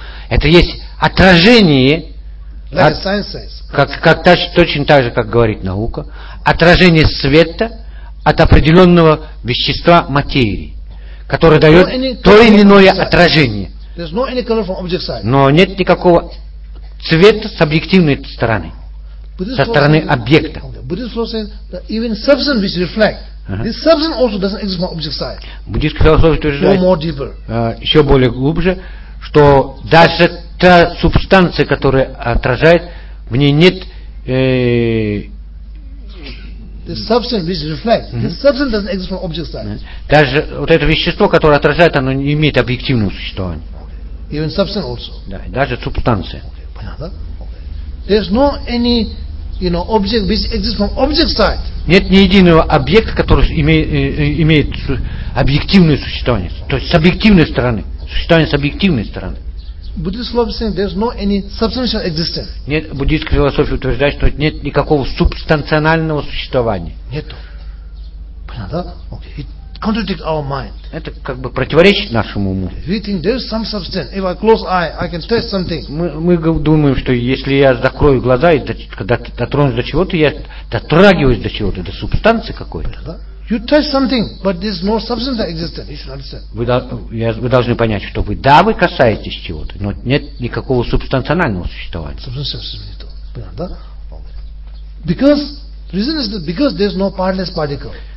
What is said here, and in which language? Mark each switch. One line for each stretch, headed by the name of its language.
Russian: Это есть отражение, точно так же, как говорит наука, отражение света от определенного вещества материи, которое дает то или иное отражение. Но нет никакого цвета с объективной стороны, со стороны объекта.
English: This substance also doesn't exist from object side.
Russian: Буддийская философия утверждает,
English: no more deeper.
Russian: Еще более глубже, что даже та субстанция, которая отражает, в ней нет.
English: The substance which reflects. This substance doesn't exist from object side.
Russian: Даже вот это вещество, которое отражает, оно не имеет объективного существования.
English: Okay. Even substance also.
Russian: Да, даже субстанция. Okay.
English: There's no any, you know, object which exists from object side.
Russian: Нет ни единого объекта, который имеет объективное существование. То есть с объективной стороны. Существование с объективной стороны. Нет, буддийская философия утверждает, что нет никакого субстанционального существования. Нету. Понятно, да?
English: Okay. It contradicts our mind.
Russian: Это как бы противоречит нашему уму.
English: We think there's some substance. If I close eye, I can taste something.
Russian: Мы думаем, что если я закрою глаза и когда дотронусь до чего-то, я дотрагиваюсь до чего-то, до субстанции какой-то.
English: You touch something, but there's no substance that exists. You should understand.
Russian: Вы должны понять, что вы да, вы касаетесь чего-то, но нет никакого субстанционального существования.
English: Substance, да? Because reason is that because there's no powerless particle.